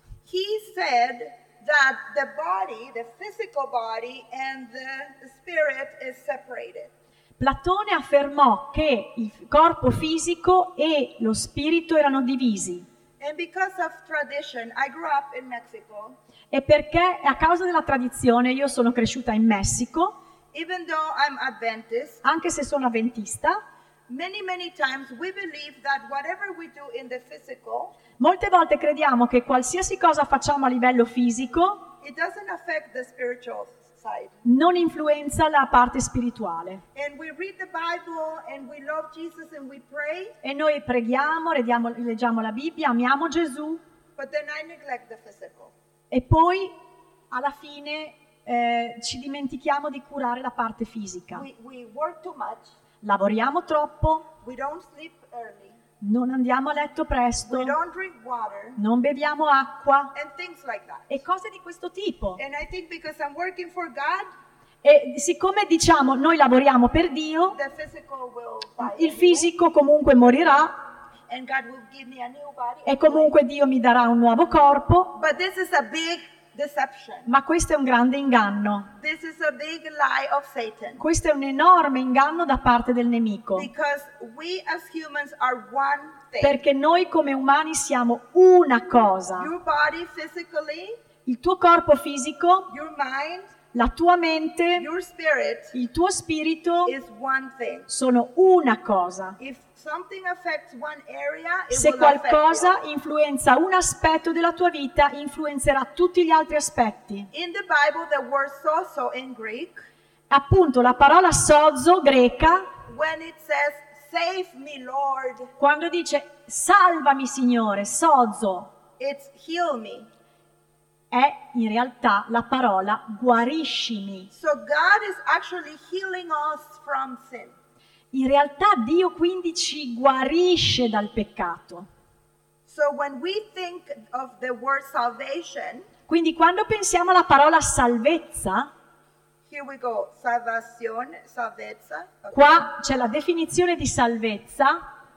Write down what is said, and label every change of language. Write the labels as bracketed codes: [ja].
[en] He said that the body, the physical body and the spirit is separated. [it] Platone affermò che il corpo fisico e lo spirito erano divisi. [en] And because of tradition, I grew up in Mexico. [it] E perché a causa della tradizione io sono cresciuta in Messico. [en] Even though I'm Adventist. [it] Anche se sono avventista. [en] Many, many times we believe that whatever we do in the physical, [it] molte volte crediamo che qualsiasi cosa facciamo a livello fisico, [en] it doesn't affect the spiritual side. [it] Non influenza la parte spirituale. [en] And we read the Bible and we love Jesus and we pray. [it] E noi preghiamo, leggiamo la Bibbia, amiamo Gesù. [en] But then I neglect the physical. [it] E poi alla fine ci dimentichiamo di curare la parte fisica. [en] We work too much. [it] Lavoriamo troppo. [en] We don't sleep early. [it] Non andiamo a letto presto. [en] We don't drink water. [it] Non beviamo acqua. [en] And things like that. [it] E cose di questo tipo. [en] And I think because I'm working for God, [it] e siccome diciamo noi lavoriamo per Dio, [en] the physical will die [it] il fisico [en] anyway. [it] Comunque morirà. [en] And God will give me a new body. [it] E comunque Dio mi darà un nuovo corpo. [en] But this is a big deception. [it] Ma questo è un grande inganno. [en] This is a big lie of Satan. [it] Questo è un enorme inganno da parte del nemico. [en] Because we as humans are one thing. [it] Perché noi come umani siamo una cosa. [en] Your body physically, [it] il tuo corpo fisico, [en] your mind, [it] la tua mente, [en] your spirit, [it] il tuo spirito, [en] is one thing. [it] Sono una cosa. [en] If something affects one area, it [it] se qualcosa influenza un aspetto della tua vita, influenzerà tutti gli altri aspetti. [en] In the Bible, the word sozo in Greek, [it] appunto la parola sozo greca, [en] when it says, save me, Lord, [it] quando dice salvami Signore, sozo, [en] it's heal me. [it] È in realtà la parola guariscimi. [en] So God is actually healing us from sin. [it] In realtà Dio quindi ci guarisce dal peccato. [en] So when we think of the word salvation, [it] quindi quando pensiamo alla parola salvezza, [en] here we go, salvation, salvezza. Okay. [it] Qua c'è la definizione di salvezza.